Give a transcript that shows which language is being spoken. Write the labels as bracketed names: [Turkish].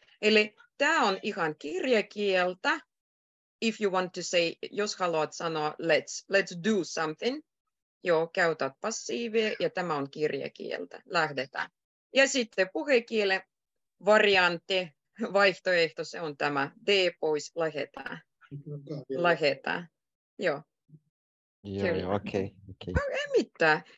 [Finnish] Eli tää on ihan kirjakieltä. [English] If you want to say, [Finnish] jos haluat sanoa [English] let's do something. [Finnish] Joo, käytät passiivia ja tämä on kirjakieltä. Lähdetään. Ja sitten puhekielen variantti, vaihtoehto, se on tämä. D pois, lähetään. Lähetään. Joo. Joo, okei. Okay. Ei mitään.